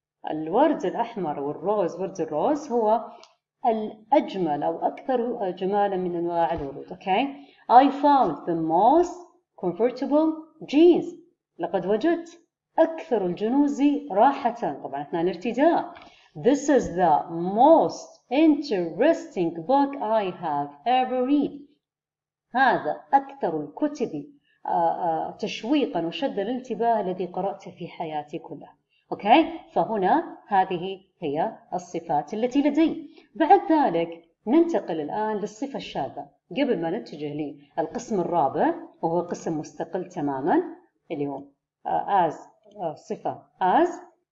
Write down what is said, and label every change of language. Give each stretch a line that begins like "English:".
Arabic: الورد الأحمر والروز، ورد الروز هو الأجمل أو أكثر جمالاً من أنواع الورود.
English: Okay, I found the most comfortable jeans.
Arabic: لقد وجدت أكثر الجنوز راحة طبعا أثناء الارتداء.
English: This is the most interesting book I have ever read.
Arabic: هذا أكثر الكتب تشويقا وشد الانتباه الذي قرأته في حياتي كلها. أوكي، فهنا هذه هي الصفات التي لدي. بعد ذلك ننتقل الآن للصفة الشاذة قبل ما نتجه للقسم الرابع، وهو قسم مستقل تماما اللي هو as، صفة as.